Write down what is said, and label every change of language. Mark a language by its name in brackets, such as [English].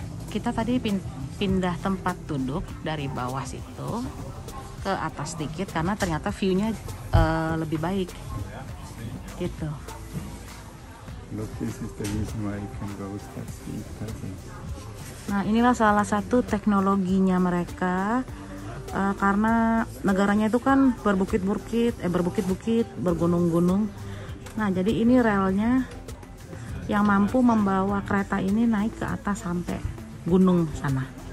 [Indonesian] Kita tadi pindah tempat duduk dari bawah situ ke atas sedikit karena ternyata view-nya lebih baik. Gitu. [English] Look, this is the reason why you can go skiing. [Indonesian] Nah, inilah salah satu teknologinya mereka, karena negaranya itu kan berbukit-bukit, bergunung-gunung. Nah, jadi ini relnya yang mampu membawa kereta ini naik ke atas sampai gunung sana.